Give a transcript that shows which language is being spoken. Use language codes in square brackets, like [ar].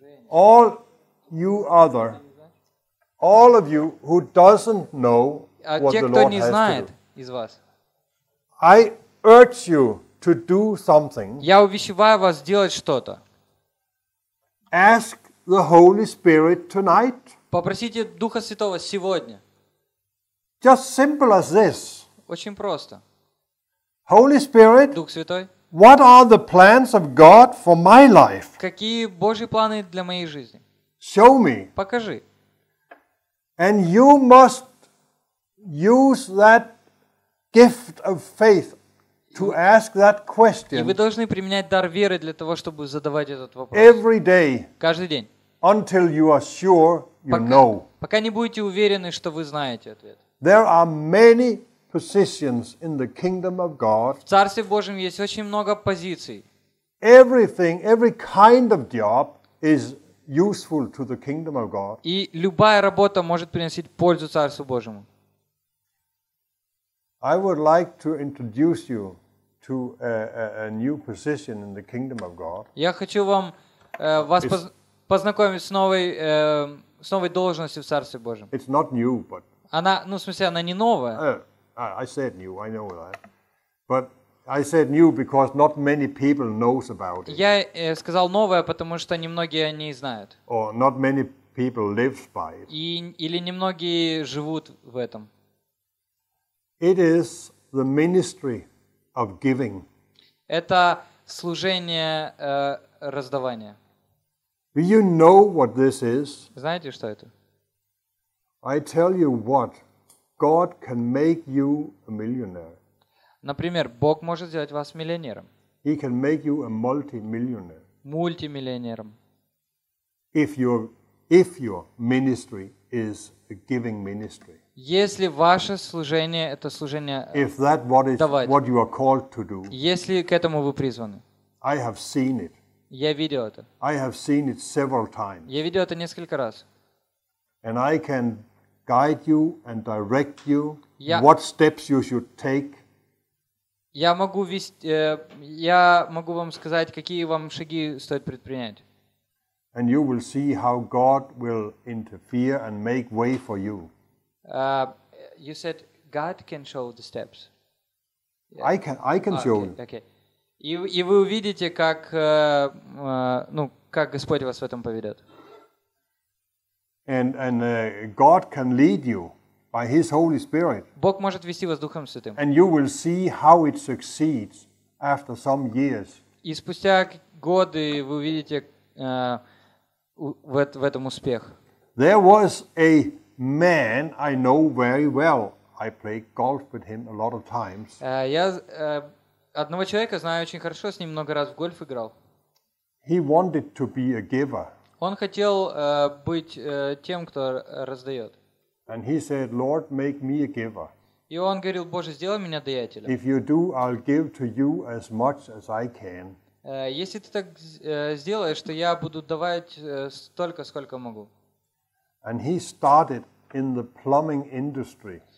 [en] All you other, all of you who doesn't know what the Lord has to do, I urge you to do something. [ru] Я увещеваю вас делать что-то. [en] Ask the Holy Spirit tonight. [ru] Попросите Духа Святого сегодня. [en] Just simple as this. [ru] Очень просто. [en] Holy Spirit. [ru] Дух Святой. [en] What are the plans of God for my life? [ru] Какие Божьи планы для моей жизни? [en] Show me. [ru] Покажи. [en] And you must use that gift of faith to ask that question. [ru] И вы должны применять дар веры для того, чтобы задавать этот вопрос. [en] Every day. [ru] Каждый день. [en] Until you are sure you know. [ru] Пока не будете уверены, что вы знаете ответ. [en] There are many positions in the kingdom of God. [ru] В Царстве Божьем есть очень много позиций. [en] Everything, every kind of job is useful to the kingdom of God. [ru] И любая работа может приносить пользу Царству Божьему. [en] I would like to introduce you to a new position in the kingdom of God. [ru] Я хочу вам вас познакомить с новой должностью в Царстве Божьем. [en] It's not new, but [ru] она, ну, в смысле, она не новая. [en] I said new, I know that. But I said new because not many people knows about it. [ru] Я сказал новое, потому что немногие о ней знают. [en] Or not many people live by it. [ru] И, или немногие живут в этом. [en] It is the ministry of giving. [ru] Это служение раздавания. [en] Do you know what this is? [ru] Знаете, что это? [en] I tell you what. God can make you a millionaire. [ru] Например, Бог может сделать вас миллионером. [en] He can make you a multi-millionaire. [ru] Мультимиллионером. [en] If your ministry is a giving ministry. [ru] Если ваше служение это служение давать. [en] If that what you are called to do. [ru] Если к этому вы призваны. [en] I have seen it. [ru] Я видел это. [en] I have seen it several times. [ru] Я видел это несколько раз. [en] And I can guide you and direct you. What steps you should take? [ru] Я могу вести, я могу вам сказать, какие вам шаги стоит предпринять. [en] And you will see how God will interfere and make way for you. You said God can show the steps. I can show you. [ru] Okay. И вы увидите, как ну как Господь вас в этом поведет. [en] And God can lead you by His Holy Spirit. [ru] Бог может вести вас Духом Святым. [en] And you will see how it succeeds after some years. [ru] И спустя годы вы увидите в этом успех. [en] There was a man I know very well. I played golf with him a lot of times. [ru] Я одного человека знаю очень хорошо, с ним много раз в гольф играл. [en] He wanted to be a giver. [ru] Он хотел быть тем, кто раздает. [en] And he said, Lord, make me a giver. [ru] И он говорил: Боже, сделай меня даятелем. [en] If you do, I'll give to you as much as I can. [ru] Если ты так сделаешь, то я буду давать столько, сколько могу. [en] And he started in the plumbing industry.